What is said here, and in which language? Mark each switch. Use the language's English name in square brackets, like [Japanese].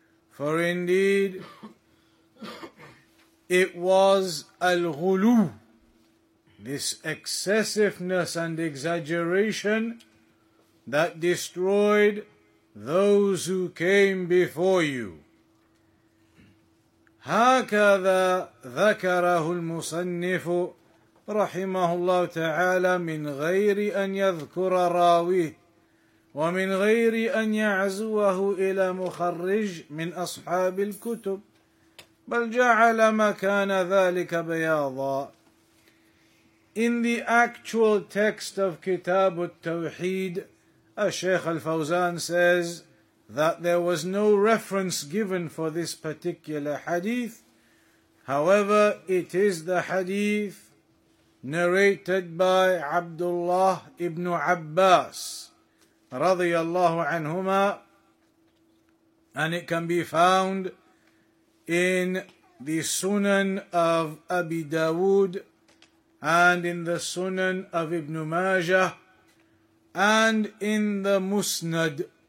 [English] For indeed, it was al-ghulu, this excessiveness and exaggeration, that destroyed those who came before you. [Arabic] هَكَذَا ذَكَرَهُ الْمُصَنِّفُ رحمه الله تعالى من غير أن يذكر راويه ومن غير أن يعزوه إلى مخرج من أصحاب الكتب بل جعل ما كان ذلك بياضا. [English] In the actual text of Kitab al-Tawheed, Sheikh al-Fawzan says that there was no reference given for this particular hadith. However, it is the hadith narrated by Abdullah ibn Abbas radiyallahu anhuma, and it can be found in the Sunan of Abi Dawood and in the Sunan of Ibn Majah and in the Musnad.